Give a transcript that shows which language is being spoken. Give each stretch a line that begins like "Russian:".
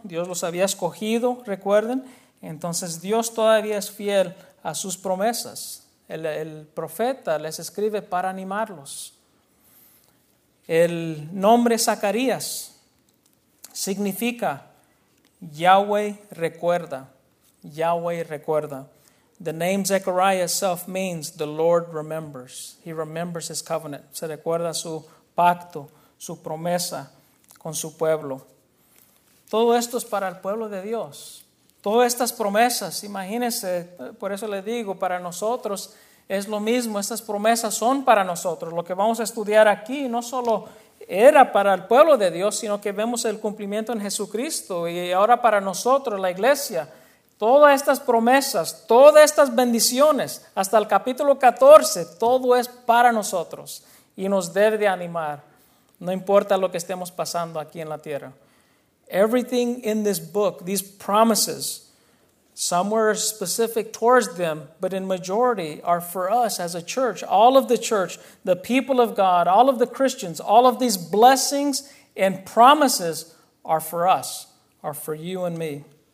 Spanish: Dios los había escogido, recuerden. Entonces Dios todavía es fiel a sus promesas. El profeta les escribe para animarlos. El nombre Zacarías significa Yahweh recuerda. Yahweh recuerda.
English: The name Zechariah itself means the Lord remembers. He remembers his covenant.
Spanish: Se recuerda su pacto, su promesa con su pueblo. Todo esto es para el pueblo de Dios. Todas estas promesas, imagínense, por eso le digo, para nosotros es lo mismo. Estas promesas son para nosotros. Lo que vamos a estudiar aquí no solo era para el pueblo de Dios, sino que vemos el cumplimiento en Jesucristo. Y ahora para nosotros, la iglesia, todas estas promesas, todas estas bendiciones, hasta el capítulo 14, todo es para nosotros y nos debe de animar, no importa lo que estemos pasando aquí en la tierra.
English: Everything in this book, these promises, some were specific towards them, but in majority are for us as a church, all of the church, the people of God, all of the Christians, all of these blessings and promises are for us, are for you and me.